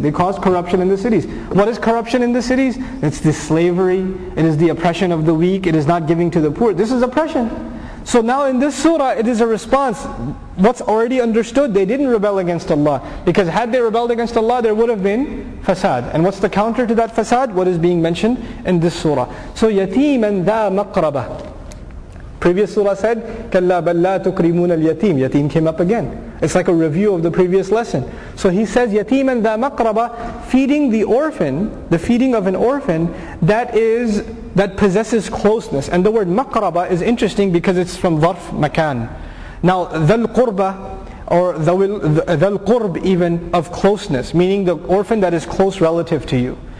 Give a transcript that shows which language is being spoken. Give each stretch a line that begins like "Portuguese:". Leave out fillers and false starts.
English: They caused corruption in the cities. What is corruption in the cities? It's the slavery. It is the oppression of the weak. It is not giving to the poor. This is oppression. So now in this surah, it is a response. What's already understood, they didn't rebel against Allah. Because had they rebelled against Allah, there would have been fasad. And what's the counter to that fasad? What is being mentioned in this surah?
Arabic: So yateeman dha maqrabah.
English: Previous surah said,
Arabic: كَلَّا بَلَّا تُكْرِمُونَ الْيَتِيمِ.
English: Yateem came up again. It's like a review of the previous lesson. So he says,
Arabic: يَتِيمًا ذَا مَقْرَبَ.
English: Feeding the orphan, the feeding of an orphan, that possesses closeness. And the word مَقْرَبَ is interesting because it's from
Arabic: ظَرْف مَكَان.
English: Now,
Arabic: ذَا الْقُرْبَ,
English: or
Arabic: ذَا الْقُرْب
English: even, of closeness, meaning the orphan that is close relative to you.